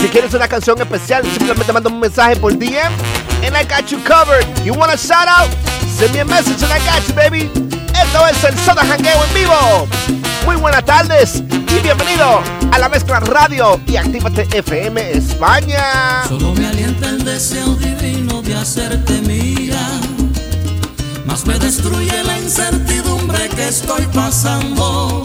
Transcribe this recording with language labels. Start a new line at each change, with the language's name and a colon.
Spanish: Si quieres una canción especial, simplemente manda un mensaje por DM.
English: And I got you covered. You want a shout out? Send me a message and I got you, baby.
Spanish: Esto es el Show De Jangueo en vivo. Muy buenas tardes y bienvenido a La Mezcla Radio y Actívate FM España. Solo me alienta el deseo divino de hacerte mía, más me destruye la incertidumbre que estoy pasando.